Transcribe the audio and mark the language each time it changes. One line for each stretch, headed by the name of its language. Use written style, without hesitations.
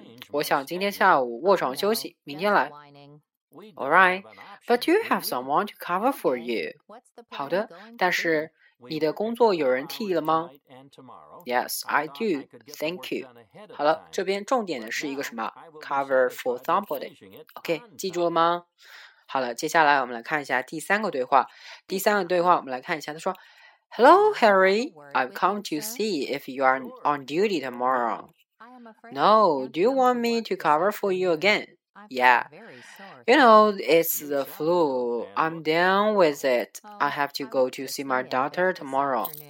Chinese: 我想今天下午卧床休息，明天来。
English: All right, but you have someone to cover for you.
Chinese: 好的，但是。你的工作有人替了吗 ？
English: Yes, I do. Thank you.
Chinese: 好了，这边重点的是一个什么 ？
English: Cover for somebody.
Chinese: OK， 记住了吗？好了，接下来我们来看一下第三个对话。第三个对话，我们来看一下。他说 ：
English: “Hello, Harry. I've come to see if you are on duty tomorrow. No, do you want me to cover for you again? Yeah, you know, it's the flu. I'm down with it. I have to go to see my daughter tomorrow.